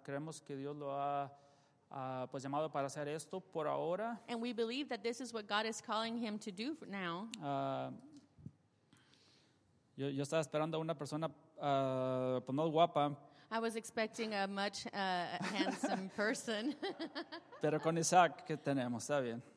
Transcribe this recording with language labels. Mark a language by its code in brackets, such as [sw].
[es] Creemos que Dios lo ha pues llamado para hacer esto por ahora. [en] And we believe that this is what God is calling him to do now. [es] Yo estaba esperando a una persona pues no guapa. [en] I was expecting a much handsome person. [es] Pero con Isaac que tenemos, está bien.